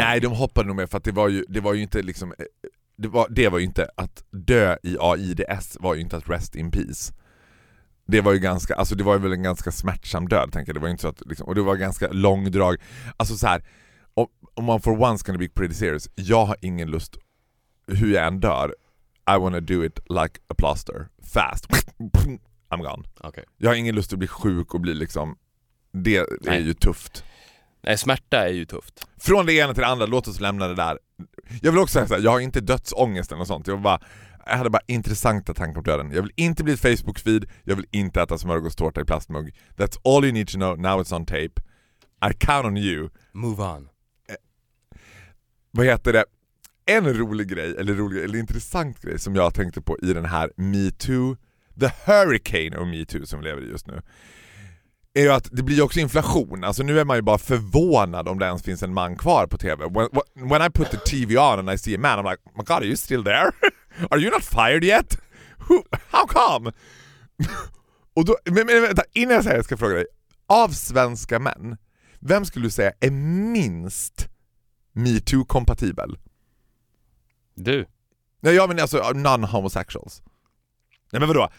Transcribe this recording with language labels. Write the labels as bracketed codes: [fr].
[sv] Nej, de hoppade nog mer för att det var ju inte liksom, det var ju inte att dö i AIDS var ju inte att [en] rest in peace. [sv] Det var ju ganska, alltså det var ju väl en ganska smärtsam död, tänker jag. Det var ju inte så att liksom, och det var ganska långdrag. Alltså så här, om man [en] for once gonna be pretty serious, [sv] jag har ingen lust hur jag än dör. [en] I wanna do it like a plaster. Fast. I'm gone. Okay. [sv] Jag har ingen lust att bli sjuk och bli liksom, det är Nej. Ju tufft. Nej, smärta är ju tufft. Från det ena till det andra, låt oss lämna det där. Jag vill också säga såhär, jag har inte dödsångest eller sånt. Jag hade bara intressanta tankar om döden. Jag vill inte bli ett Facebook-feed. Jag vill inte äta smörgåstårta i plastmugg. [en] That's all you need to know. Now it's on tape. I count on you. Move on. [sv] Vad heter det? En rolig grej, eller intressant grej som jag tänkte på i den här MeToo- [en] The hurricane of Me Too [sv] som lever just nu är ju att det blir också inflation. Alltså nu är man ju bara förvånad om det ens finns en man kvar på TV. [en] When I put the TV on and I see a man, I'm like, my god, are you still there? Are you not fired yet? Who, how come? [sv] Och då, men vänta, innan jag säger det, jag ska fråga dig. Av svenska män, vem skulle du säga är minst Me Too-kompatibel? Du. Nej, jag menar alltså [en] non-homosexuals. [sv] Nej, men vadå?